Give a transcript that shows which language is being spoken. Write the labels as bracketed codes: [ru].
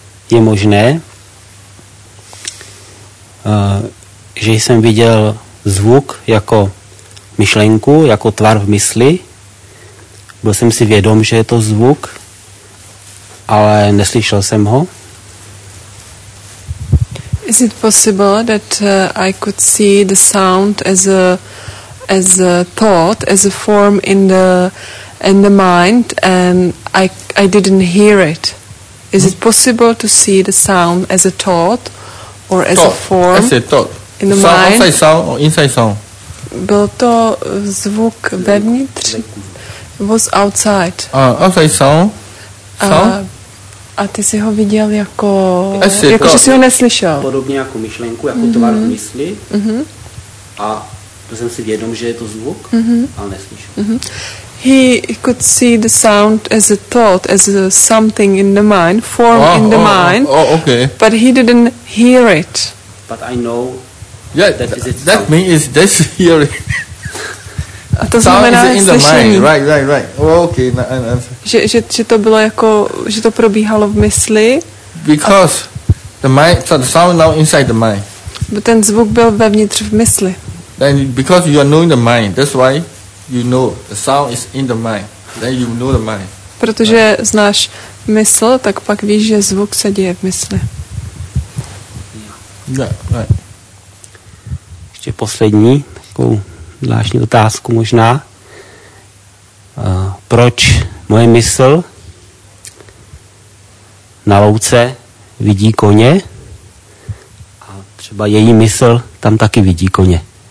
[cs] Je možné, že jsem viděl zvuk jako myšlenku, jako tvar v mysli. Byl jsem si vědom, že je to zvuk, ale neslyšel jsem ho. [en] Is it possible that I could see the sound as a thought, as a form in the mind, and I didn't hear it? Is it possible to see the sound as a thought or as thought, a form? As a thought. In the sound, mind. Outside sound or inside sound? [cs] Byl to zvuk vevnitř? [en] Was outside. Outside sound? [cs] A ty jsi ho viděl jako že jsi ho neslyšel. Podobně jako myšlenku, jako mm-hmm. tvar v mysli. Mm-hmm. A to jsem si vědom, že je to zvuk, mm-hmm. ale neslyšel. Mm-hmm. [en] He could see the sound as a thought, as a something in the mind, form in the mind. Oh, okay. But he didn't hear it. But I know. Yeah, that means this hearing. Sound is in the mind, right. Oh, okay. [cs] Že to bylo jako, že to probíhalo v mysli. [en] Because the mind, so the sound now inside the mind. [cs] But ten zvuk byl vevnitř v mysli. [en] Then because you are knowing the mind, that's why. You know, the sound is in the mind. Then you know the mind. [cs] Protože znáš mysl, tak pak víš, že zvuk se děje v mysli. [en] Yeah, right. [cs] Ještě poslední, takovou zvláštní otázku možná. Proč moje mysl na louce vidí koně a třeba její mysl tam taky vidí koně?